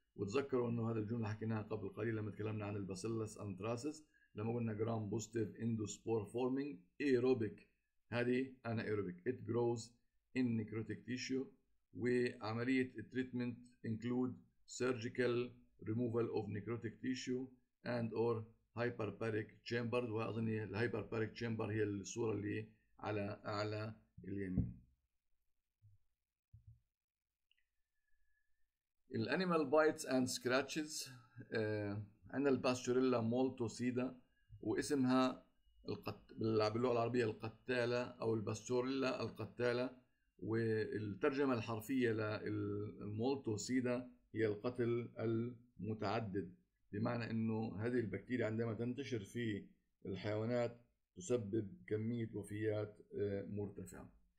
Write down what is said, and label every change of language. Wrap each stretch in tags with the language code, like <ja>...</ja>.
<ar>وتذكروا انه هذا الجملة حكيناها قبل قليل لما تكلمنا عن الباسيلس انتراسيس، لما قلنا جرام بوزيتيف اندوسبور فورمينج ايروبيك، هذه</ar> <en>anaerobic it grows in necrotic tissue.</en> <ar>وعملية التريتمنت</ar> <en>include surgical removal of necrotic tissue and or hyperbaric chamber.</en> <ar>وأظن الhyperbaric chamber هي الصورة اللي على أعلى اليمين. الانيمال بايتس اند سكراتشز، عندنا الباستوريلا مولتوسيدا واسمها باللغة العربية القتالة او الباستوريلا القتالة، والترجمة الحرفية للمولتوسيدا هي القتل المتعدد، بمعنى انه هذه البكتيريا عندما تنتشر في الحيوانات تسبب كمية وفيات مرتفعة.</ar>